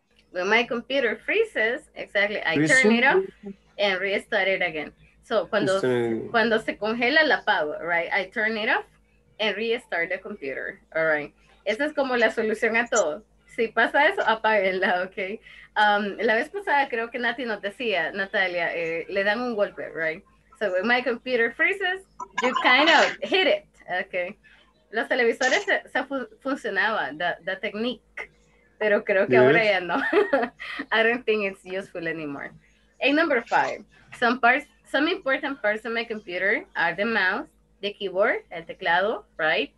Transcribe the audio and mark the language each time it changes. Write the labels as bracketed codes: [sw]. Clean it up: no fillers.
[en] When my computer freezes, exactly, I turn it off and restart it again. So, [es] cuando se congela, la apago, [en] right? I turn it off and restart the computer, all right? [es] Esa es como la solución a todo. Si pasa eso, apáguenla, ok? La vez pasada, creo que Nati nos decía, Natalia, le dan un golpe, right? [en] So when my computer freezes, you kind of hit it, okay. [es] Los televisores funcionaba, [en] the technique, [es] pero creo que ahora ya no. [en] I don't think it's useful anymore. And number 5, some important parts of my computer are the mouse, the keyboard, el teclado, right?